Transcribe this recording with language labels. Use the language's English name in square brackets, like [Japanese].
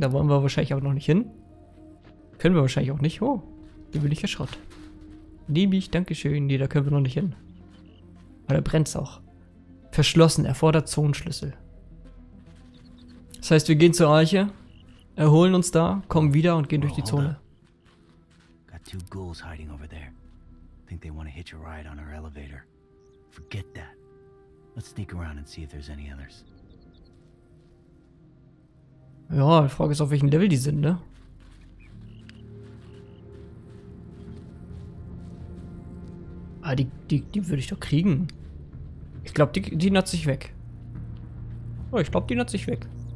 [German] Da wollen wir wahrscheinlich aber noch nicht hin. Können wir wahrscheinlich auch nicht. Oh, hier bin ich erschrott. Nehme ich, dankeschön. Nee, da können wir noch nicht hin. Aber da brennt's auch. Verschlossen, erfordert Zonenschlüssel. Das heißt, wir gehen zur Arche, erholen uns da, kommen wieder und gehen durch die Zone. [English] Got two ghouls hiding over there. Think they want to hitch a ride on our elevator. Forget that. Let's sneak around and see if there's any others. [German] Ja, die Frage ist, auf welchem Level die sind, ne? Ah, die würde ich doch kriegen. Ich glaube, die nutze ich weg. Oh, ich glaube, die nutze ich weg.